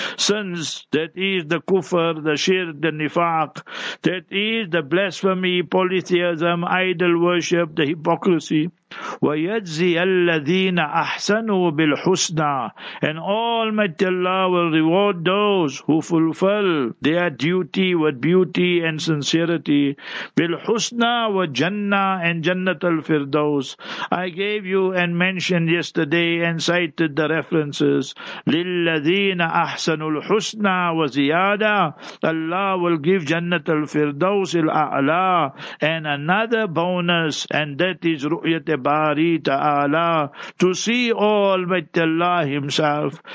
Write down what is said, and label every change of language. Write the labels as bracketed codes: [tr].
[en] Sins, that is the kufr, the shirk, the nifaq, that is the blasphemy, polytheism, idol worship, the hypocrisy. [ar] وَيَجْزِيَ الَّذِينَ أَحْسَنُوا بِالْحُسْنَى. [en] And Almighty Allah will reward those who fulfill their duty with beauty and sincerity. [ar] بِالْحُسْنَى وَجَنَّى and جَنَّةَ الْفِرْدَوْسِ. [en] I gave you and mentioned yesterday and cited the references. [ar] لِلَّذِينَ أَحْسَنُوا الْحُسْنَى وَزِيَادَى. [en] Allah will give [ar] جَنَّةَ الْفِرْدَوْسِ الْأَعْلَى [en] and another bonus, and that is رُؤْيَةَ Bari Ta'ala, to see Almighty Allah Himself.